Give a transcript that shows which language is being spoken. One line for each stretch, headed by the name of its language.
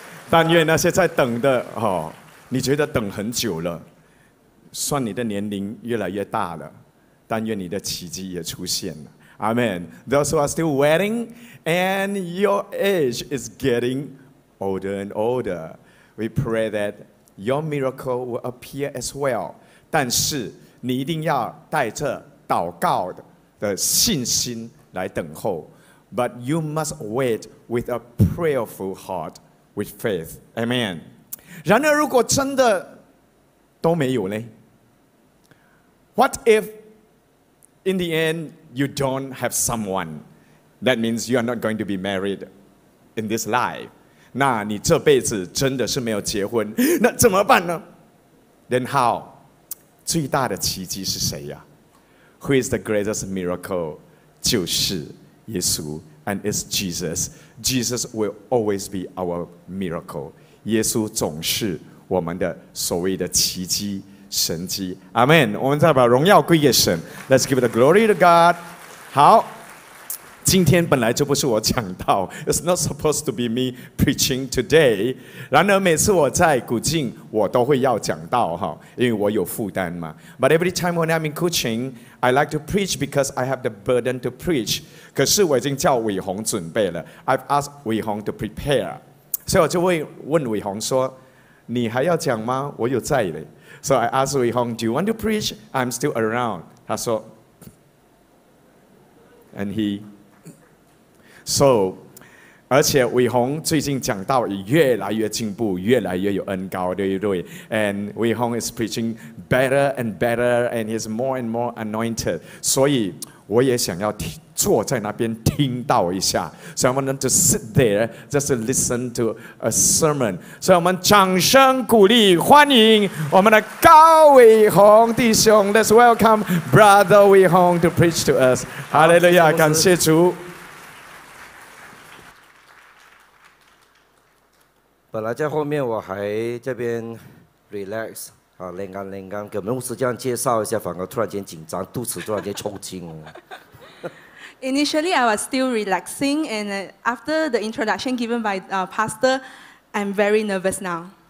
Chinese: 但愿那些在等的、哦、你觉得等很久了，算你的年龄越来越大了，但愿你的奇迹也出现了。
English: Amen. Those who are still waiting, and your age is getting older and older. We pray that your miracle will appear as well.
Chinese: 但是你一定要带着祷告的信心来等候。
English: But you must wait with a prayerful heart, with faith. Amen.
Chinese: 然而如果真的都没有呢?
English: What if in the end you don't have someone? That means you are not going to be married in this life.
Chinese: 那你这辈子真的是没有结婚,那怎么办呢?
English: Then how?
Chinese: 最大的奇迹是谁呀?
English: Who is the greatest miracle?
Chinese: 就是耶稣。
English: And it's Jesus. Jesus will always be our miracle.
Chinese: 耶稣总是我们的所谓的奇迹、神迹。
English: Amen.
Chinese: 我们再把荣耀归给神。
English: Let's give the glory to God.
Chinese: 好，今天本来就不是我讲道。
English: It's not supposed to be me preaching today.
Chinese: 然而每次我在古晋，我都会要讲道，因为我有负担嘛。
English: But every time when I'm in Kuching,I like to preach because I have the burden to preach.
Chinese: 可是我已经叫伟宏准备了。
English: I've asked 伟宏 to prepare.
Chinese: 所以我就会问伟宏说，你还要讲吗？我有在的。
English: So I asked 伟宏, do you want to preach? I'm still around.
Chinese: 他说
English: And he.
Chinese: So, 而且伟宏最近讲道越来越进步，越来越有恩膏，对不对？
English: And 伟宏 is preaching better and better, and he's more and more anointed.
Chinese: 所以我也想要坐在那边听到一下。
English: So I want them to sit there just to listen to a sermon.
Chinese: 所以我们掌声鼓励，欢迎我们的高伟宏弟兄。
English: Let's welcome Brother 伟宏 to preach to us. Hallelujah,
Chinese: 感谢主。本来在后面我还这边 relax 啊，冷干冷干，给牧师这样介绍一下，反而突然间紧张，肚子突然间抽筋了。
English: Initially, I was still relaxing, and after the introduction given by Pastor, I'm very nervous now.